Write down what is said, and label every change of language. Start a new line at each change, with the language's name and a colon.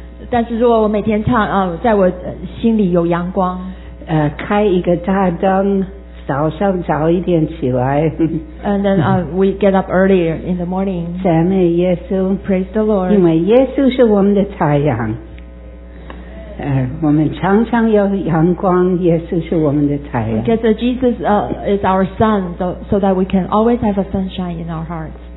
Chinese: 但是如果我每天唱, 在我心里有阳光, 开一个大灯, 早上早一点起来,
English: and then we get up earlier in the morning.
Chinese: 赞美耶稣,
English: praise the Lord.
Chinese: 因为耶稣是我们的太阳, 我们常常有阳光, 耶稣是我们的太阳,
English: because Jesus is our sun, so that we can always have a sunshine in our hearts.